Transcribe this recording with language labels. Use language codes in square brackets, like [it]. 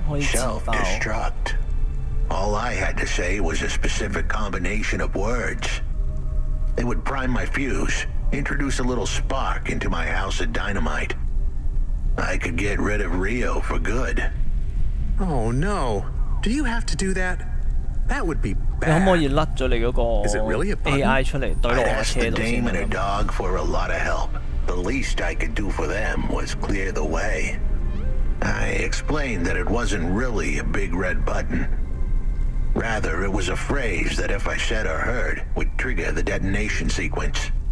[en] Self-destruct. All I had to say was a specific combination of words. It would prime my fuse, introduce a little spark into my house of dynamite. I could get rid of Rio for good. Oh no, do you have to do that? That would be bad. [yue] 你可唔可以甩咗你嗰个 AI 出嚟怼落我车度先？ [en] I'd ask the dame and her dog for a lot of help. The least I could do for them was clear the way. I explained that it wasn't really a big red button. Rather, it was a phrase that if I said or heard would trigger the detonation sequence.